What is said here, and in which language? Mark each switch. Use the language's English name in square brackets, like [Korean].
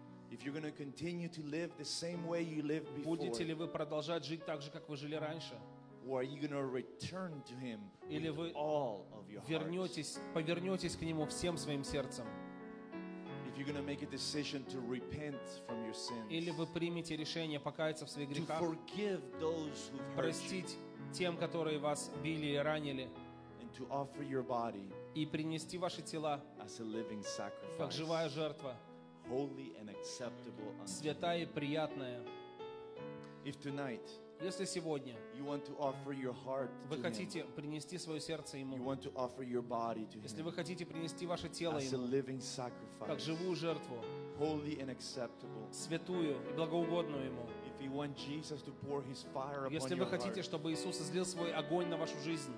[English] If you're going to continue to live the same way you lived before, [Russian] будете ли вы продолжать жить так же, как вы жили раньше, [English] or are you going to return to Him with all of your heart? [Russian] Повернетесь к Нему всем своим сердцем? [English] If you're going to make a decision to repent from your sins, [Russian] или вы примете решение покаяться в своих грехах, [English] to forgive those who've hurt you, [Russian] простить тем, которые вас били и ранили, [English] and to offer your body [Russian] и принести ваши тела [English] as a living sacrifice, [Russian] как живая жертва? [English] Holy and acceptable unto Him. [Russian] Святая и приятная. [English] If tonight, [Russian] если сегодня, [English] you want to offer your heart to Him, [Russian] вы хотите принести свое сердце Ему, [English] you want to offer your body to Him, [Russian] если вы хотите принести ваше тело [English] as [Russian] Ему, [English] a living sacrifice, [Russian] как живую жертву, [English] holy and acceptable. [Russian] Святую и благоугодную ему. [English] If you want Jesus to pour his fire upon [Russian] если вы хотите, чтобы Иисус излил свой огонь на вашу жизнь.